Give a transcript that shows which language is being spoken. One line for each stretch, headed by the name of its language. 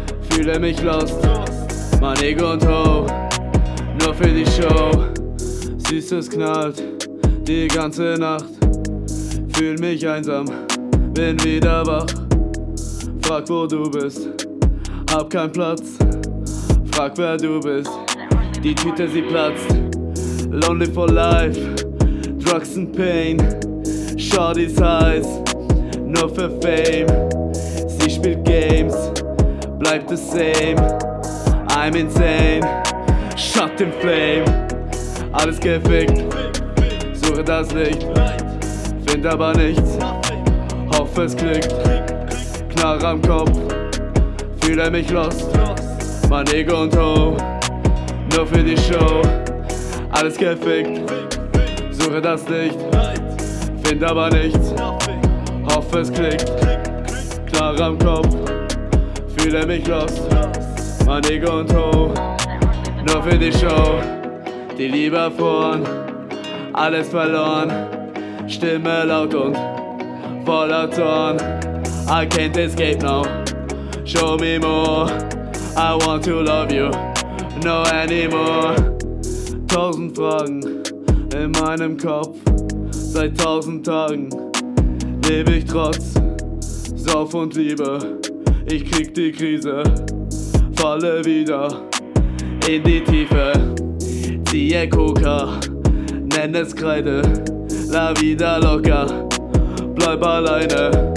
German: Fühle mich lost, mein Ego und Ho. Nur für die Show. Süßes knallt, die ganze Nacht. Fühl mich einsam, bin wieder wach. Frag wo du bist, hab keinen Platz. Frag wer du bist, die Tüte sie platzt.
English: Lonely for life, drugs and pain. Shorty's eyes,
German: nur für Fame. Sie spielt Games, bleibt
English: the same. I'm insane, shut in flame.
German: Alles gefickt, suche das Licht. Find aber nichts, hoffe es klickt. Knarre am Kopf, fühle mich lost. Mein Ego und Ho, nur für die Show. Alles gefickt, suche das Licht. Find aber nichts, hoffe es klickt. Knarre am Kopf, fühle mich lost. Mein Ego und Ho, nur für die Show. Die Liebe vorn, alles verloren. Stimme laut und voller Zorn.
English: I can't escape now, show me more. I want to love you, no anymore.
German: Tausend Fragen in meinem Kopf. Seit tausend Tagen lebe ich trotz Sauf und Liebe. Ich krieg die Krise, falle wieder in die Tiefe. Ziehe Koka, nenn es Kreide. La vida loca, bleib alleine.